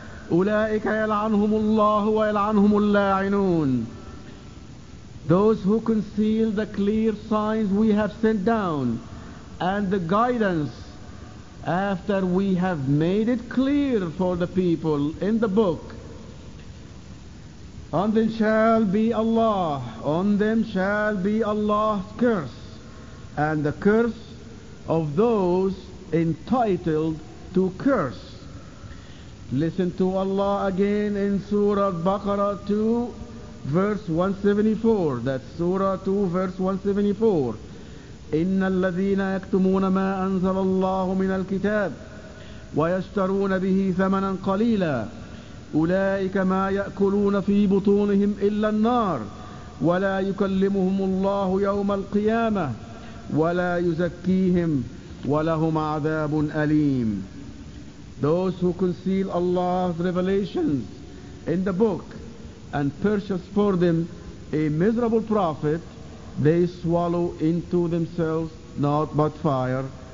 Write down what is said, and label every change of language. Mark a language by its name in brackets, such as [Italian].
[Arabic] أولئك يلعنهم الله ويلعنهم اللاعنون. [English] Those who conceal the clear signs we have sent down and the guidance after we have made it clear for the people in the book, on them shall be Allah, on them shall be Allah's curse, and the curse of those entitled to curse. Listen to Allah again in Surah Al-Baqarah 2, verse 174. That's Surah 2, verse 174. [Arabic] إن الذين يكتمون ما أنزل الله من الكتاب ويشترون به ثمنا قليلا أولئك ما يأكلون في بطونهم إلا النار ولا يكلمهم الله يوم القيامة ولا يزكيهم ولهم عذاب أليم. [English] Those who conceal Allah's revelations in the book and purchase for them a miserable profit, they swallow into themselves naught but fire.